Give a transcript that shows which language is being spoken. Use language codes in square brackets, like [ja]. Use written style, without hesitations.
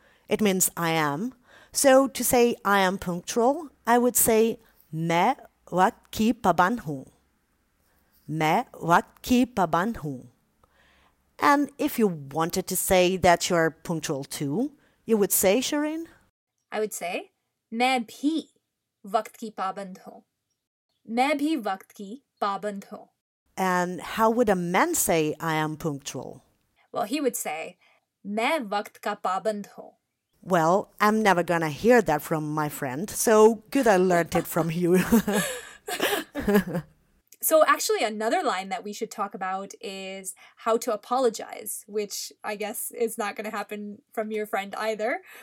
[en] It means I am. So to say I am punctual, I would say [hi] me wakipaban. [en] Me wakipaban. And if you wanted to say that you're punctual too, you would say, Shireen? I would say, [hi] मैं भी वक्त की पाबंद हूँ. मैं भी वक्त की पाबंद हूँ. [en] And how would a man say I am punctual? Well, he would say, [hi] मैं वक्त का पाबंद हूँ. [en] Well, I'm never gonna hear that from my friend, so good I learned it from you. So actually, another line that we should talk about is how to apologize, which I guess is not going to happen from your friend either.